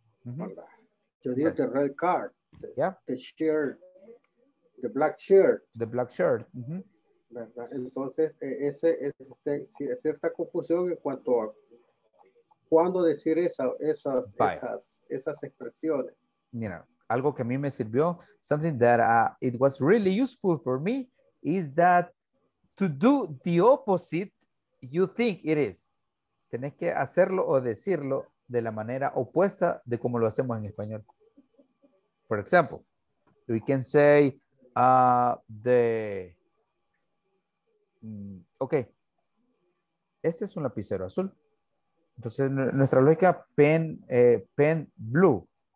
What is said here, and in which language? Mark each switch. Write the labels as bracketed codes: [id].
[en] Uh-huh. [es] Yo digo [en] okay. The red car. The shirt. The black shirt. The black shirt. Uh-huh. [es] Entonces, es cierta confusión en cuanto a cuándo decir esas expresiones. Mira, algo que a mí me sirvió, [en] something that it was really useful for me, is that to do the opposite you think it is. [es] Tenés que hacerlo o decirlo de la manera opuesta de como lo hacemos en español. [en] For example, we can say okay. [es] Este es un lapicero azul. Entonces nuestra lógica [en] pen blue.